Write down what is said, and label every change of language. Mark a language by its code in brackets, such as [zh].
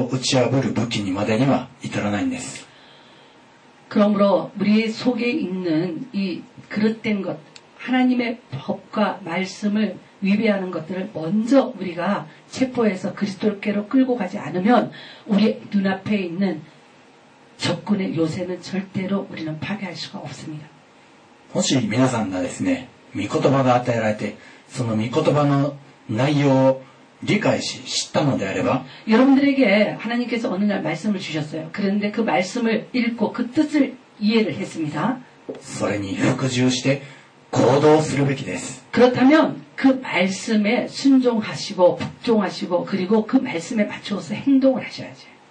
[ja] それらをキリストのもとへと連行して、そして御言葉なるキリストに従順し服従しなければ、この要塞を打ち破る武器にまでには至らないんです。 [ko] 그러므로 우리의 속에 있는 이 그릇된 것, 하나님의 법과 말씀을 위배하는 것들을 먼저 우리가 체포해서 그리스도께로 끌고 가지 않으면 우리 눈앞에 있는 적군의 요새는 절대로 우리는 파괴할 수가 없습니다. [ja] もし皆さんがですね、御言葉が与えられて、その御言葉の内容を理解し、知ったのであれば、 [ko] 여러분들에게 하나님께서 어느 날 말씀을 주셨어요. 그런데 그 말씀을 읽고 그 뜻을 이해를 했습니다. [ja] それに服従して行動するべきです。 [ko] 그렇다면 그 말씀에 순종하시고 복종하시고 그리고 그 말씀에 맞춰서 행동을 하셔야지.